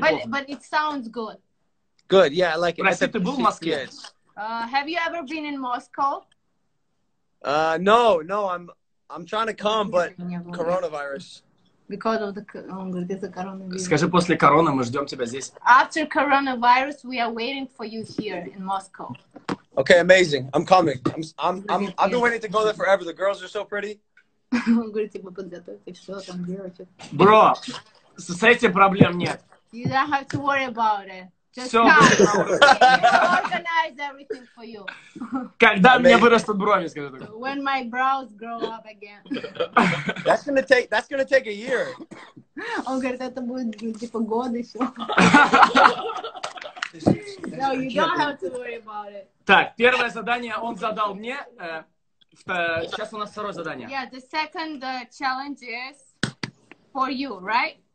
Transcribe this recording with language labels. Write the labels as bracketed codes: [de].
[ru] плохо. [en] But it sounds good. Good, yeah, I like it. [ru] Прости, ты был в Москве? [en] Yes. Have you ever been in Moscow? No, I'm trying to come, but coronavirus. Because of the coronavirus. [ru] Скажи, после короны мы ждем тебя здесь. [en] After coronavirus, we are waiting for you here in Moscow. Okay, amazing. I'm coming. I've been waiting to go there forever. The girls are so pretty. [ru] Он говорит, типа, подготовьте все, там девочки. Бро, с этим проблем нет. [en] You don't have to worry about it. Just [ru] все [en] come. We'll organize everything for you. [ru] Когда у меня вырастут брови, скажи так. [en] When my brows grow up again. That's gonna take a year. [ru] Он говорит, это будет типа год еще. [en] No, you don't have to worry about it. [ru] Так, первое задание он задал мне. Сейчас у нас второе задание. [en] Yeah, the second challenge is for you, right?